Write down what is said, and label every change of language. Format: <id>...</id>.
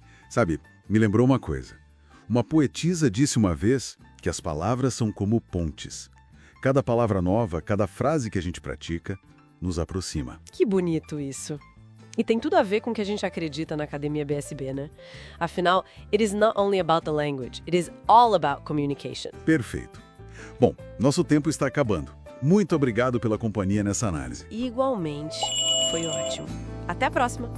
<pt>Sabe, me lembrou uma coisa. Uma poetisa disse uma vez que as palavras são como pontes. Cada palavra nova, cada frase que a gente pratica, nos aproxima. Que bonito isso. E tem tudo a ver com o que a gente acredita na Academia BSB, né?</pt> <en>Afinal, it is not only about the language, it is all about communication.</en> <pt>Perfeito. Bom, nosso tempo está acabando. Muito obrigado pela companhia nessa análise. Igualmente. Foi ótimo. Até a próxima.</pt>